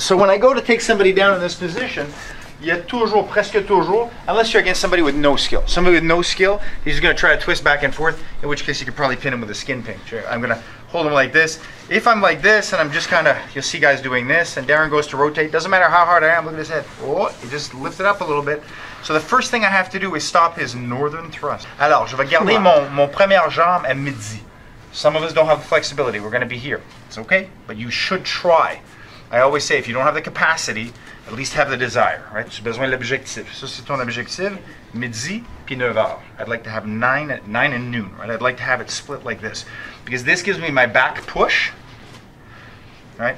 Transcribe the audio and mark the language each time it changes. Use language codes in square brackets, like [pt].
[en] So when I go to take somebody down in this position, yet [fr] toujours, presque toujours, [en] unless you're against somebody with no skill. Somebody with no skill, he's just gonna try to twist back and forth, in which case you could probably pin him with a skin pin. I'm gonna hold him like this. If I'm like this and I'm just kinda, you'll see guys doing this, and Darren goes to rotate, doesn't matter how hard I am, look at his head. Oh, he just lifted up a little bit. So the first thing I have to do is stop his northern thrust. [fr] Alors, je vais garder mon première jambe à midi. [en] Some of us don't have the flexibility, we're gonna be here. It's okay, but you should try. I always say, if you don't have the capacity, at least have the desire, right? [fr] Tu as besoin de l'objectif. Ça, c'est ton objectif. Midi, puis 9h. [en] I'd like to have 9 and noon, right? I'd like to have it split like this. Because this gives me my back push, right?